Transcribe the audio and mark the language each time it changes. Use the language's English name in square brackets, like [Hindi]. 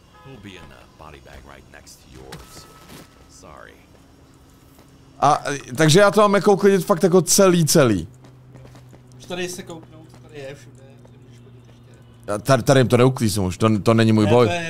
[English] He'll be in a body bag right next to yours. Sorry. [Czech] A takže já to mám jako uklidit fakt jako celý. Už tady se kouknout, tady je všude, kde můžeš chodit ještě. Tady jim to neuklízím už, to není můj boj.